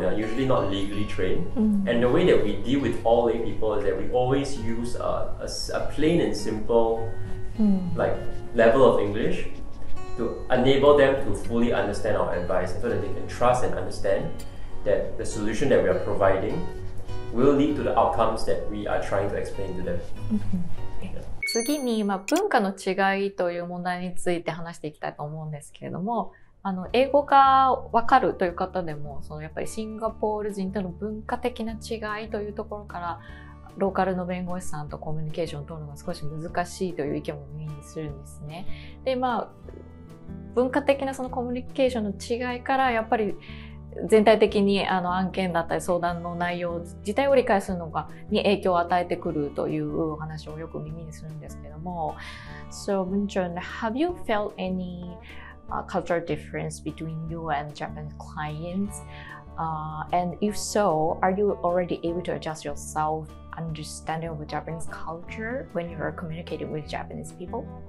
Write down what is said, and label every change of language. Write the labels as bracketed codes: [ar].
[en] They are usually not legally trained. And the way that we deal with all lay people is that we always use a plain and simple like level of English to enable them to fully understand our advice, so that they can trust and understand that the solution that we are providing will lead to the outcomes that we are trying to explain to them. [ja] 次に、まあ、文化の違いという問題について話していきたいと思うんですけれども、英語が分かるという方でも、そのやっぱりシンガポール人との文化的な違いというところからローカルの弁護士さんとコミュニケーションを取るのが少し難しいという意見も耳にするんですね。で、まあ、文化的なそのコミュニケーションの違いからやっぱり全体的に案件だったり相談の内容自体を理解するのがに影響を与えてくるというお話をよく耳にするんですけども。 [en] So, Boon Chong, have you felt anycultural difference between you and Japanese clients? And if so, are you already able to adjust yourself understanding of Japanese culture when you are communicating with Japanese people?